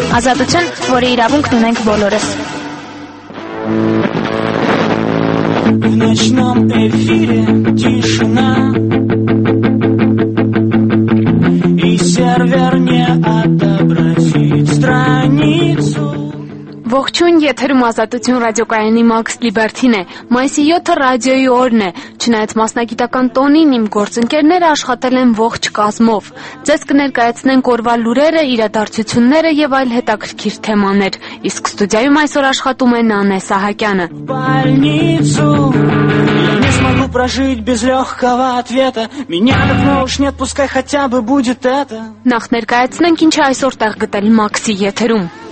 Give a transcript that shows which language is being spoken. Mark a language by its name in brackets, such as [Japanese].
[Armenian] Ազատություն, որը իրավունք ունենք բոլորս. [Russian] В ночном эфире тишина, и сервер не отобразит страницу. [Armenian] Ողջույն, եթերում Ազատություն ռադիոկայանի Max Liberty-ն է։ Մայիսի 7-ը ռադիոյի օրն է։ Չնայած մասնագիտական տոնին, իմ գործընկերները աշխատել են ողջ կազմով։ Ձեզ կներկայացնենք օրվա լուրերը, իրադարձությունները եւ այլ հետաքրքիր թեմաներ։ Իսկ ստուդիայում այսօր աշխատում է Նանե Սահակյանը։ Նախ ներկայացնենք, ինչ է այսօր տեղ գտել Max-ի եթերում։